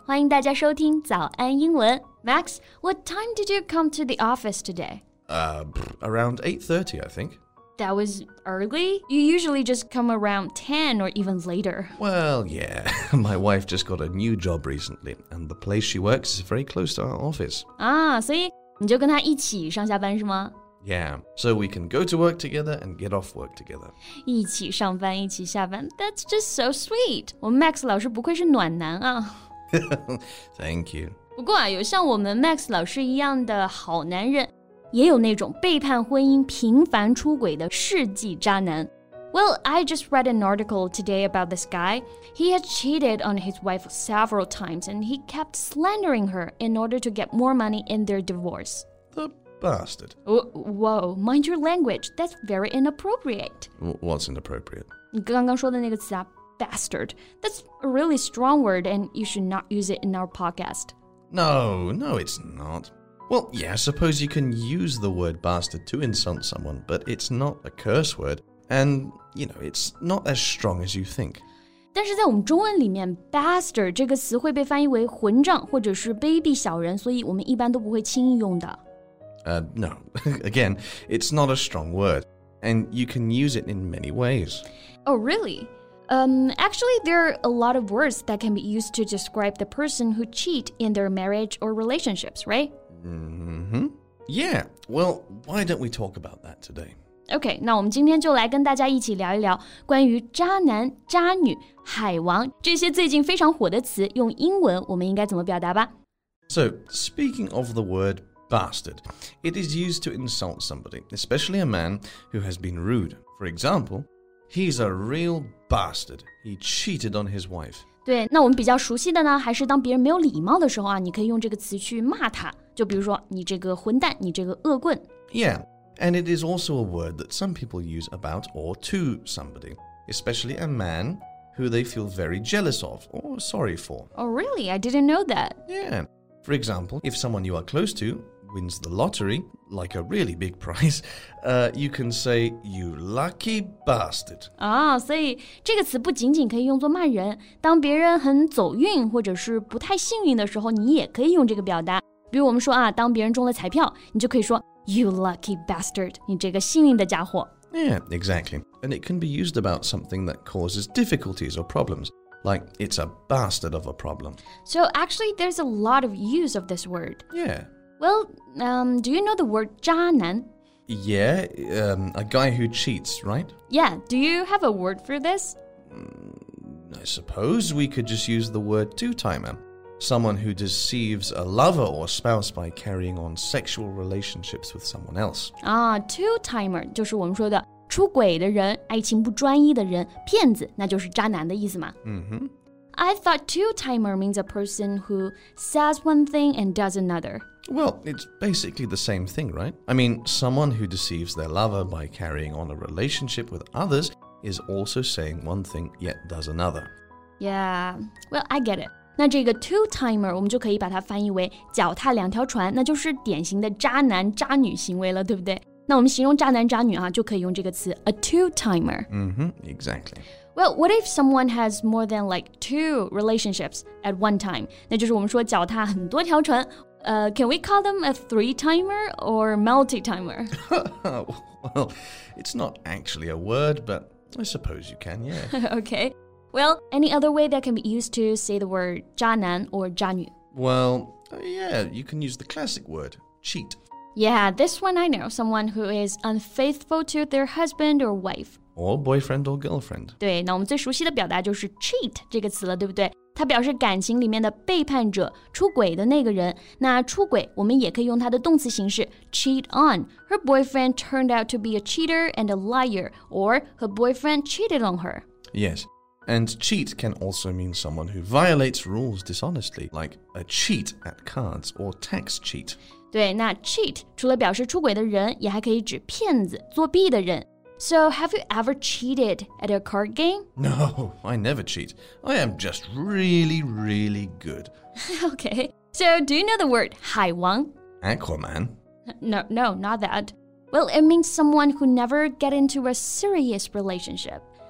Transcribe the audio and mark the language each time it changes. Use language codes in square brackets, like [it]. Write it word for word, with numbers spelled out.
[zh] 欢迎大家收听早安英文。 [en] Max, what time did you come to the office today? Uh, around eight thirty, I think. That was early? You usually just come around ten or even later. Well, yeah. My wife just got a new job recently, and the place she works is very close to our office. Ah, so you [zh] 跟她一起上下班是吗？ [en] Yeah, so we can go to work together and get off work together. [zh] 一起上班，一起下班。 [en] That's just so sweet. [zh] 我们 Max 老师不愧是暖男啊。 [en] Thank you. [zh] 不过啊，有像我们 Max 老师一样的好男人，也有那种背叛婚姻、频繁出轨的世纪渣男。 [en] Well, I just read an article today about this guy. He had cheated on his wife several times, and he kept slandering her in order to get more money in their divorce. The bastard. Oh, whoa, mind your language. That's very inappropriate. What's inappropriate? [zh] 你刚刚说的那个词啊 bastard. [en] That's a really strong word, and you should not use it in our podcast. No, no, it's not. Well, yeah, I suppose you can use the word bastard to insult someone, but it's not a curse word, and, you know, it's not as strong as you think. [zh] 但是在我们中文里面 bastard 这个词会被翻译为混账或者是卑鄙小人，所以我们一般都不会轻易用的。 [en] Uh, no, again, it's not a strong word, and you can use it in many ways. Oh, really? Um, actually, there are a lot of words that can be used to describe the person who cheat in their marriage or relationships, right? Mm-hmm. Yeah, well, why don't we talk about that today? [zh] Okay, 那我们今天就来跟大家一起聊一聊关于渣男、渣女、海王这些最近非常火的词，用英文我们应该怎么表达吧？ [en] So, speaking of the word bastard, it is used to insult somebody, especially a man who has been rude. For example, he's a real bastard. He cheated on his wife. [zh] 对，那我们比较熟悉的呢，还是当别人没有礼貌的时候啊，你可以用这个词去骂他，就比如说你这个混蛋，你这个恶棍。 [en] Yeah, and it is also a word that some people use about or to somebody, especially a man who they feel very jealous of or sorry for. Oh, really? I didn't know that. Yeah. For example, if someone you are close to wins the lottery, like a really big prize, uh, you can say, you lucky bastard. [zh] 啊，所以这个词不仅仅可以用作骂人，当别人很走运或者是不太幸运的时候，你也可以用这个表达。比如我们说啊，当别人中了彩票，你就可以说 [en] you lucky bastard, [zh] 你这个幸运的家伙。 [en] Yeah, exactly. And it can be used about something that causes difficulties or problems. Like, it's a bastard of a problem. So, actually, there's a lot of use of this word. Yeah. Well, um, do you know the word 渣男? Yeah, um, a guy who cheats, right? Yeah, do you have a word for this? Mm, I suppose we could just use the word two-timer. Someone who deceives a lover or spouse by carrying on sexual relationships with someone else. [zh] Ah, two-timer 就是我们说的出轨的人，爱情不专一的人，骗子，那就是渣男的意思嘛。 [en] Mm-hmm. I thought two-timer means a person who says one thing and does another. Well, it's basically the same thing, right? I mean, someone who deceives their lover by carrying on a relationship with others is also saying one thing yet does another. Yeah, well, I get it. [zh] 那这个 two-timer 我们就可以把它翻译为脚踏两条船，那就是典型的渣男渣女行为了，对不对？那我们形容渣男渣女啊，就可以用这个词 a two-timer. [en] Mm-hmm, exactly. Well, what if someone has more than like two relationships at one time? [zh] 那就是我们说脚踏很多条船。 [en] Uh, can we call them a three-timer or multi-timer? Well, it's not actually a word, but I suppose you can, yeah. Okay. Well, any other way that can be used to say the word 渣男 or 渣女? Well, yeah, you can use the classic word, cheat. Yeah, this one I know. Someone who is unfaithful to their husband or wife. Or boyfriend or girlfriend. [zh] 对，那我们最熟悉的表达就是 cheat 这个词了，对不对？它表示感情里面的背叛者，出轨的那个人。那出轨，我们也可以用它的动词形式 cheat on. [en] Her boyfriend turned out to be a cheater and a liar. Or her boyfriend cheated on her. Yes, and cheat can also mean someone who violates rules dishonestly, like a cheat at cards or tax cheat. [zh] 对，那 cheat 除了表示出轨的人，也还可以指骗子、作弊的人。 [en] So, have you ever cheated at a card game? No, I never cheat. I am just really, really good. Okay. So, do you know the word 海王? Aquaman? No, no, not that. Well, it means someone who never get into a serious relationship.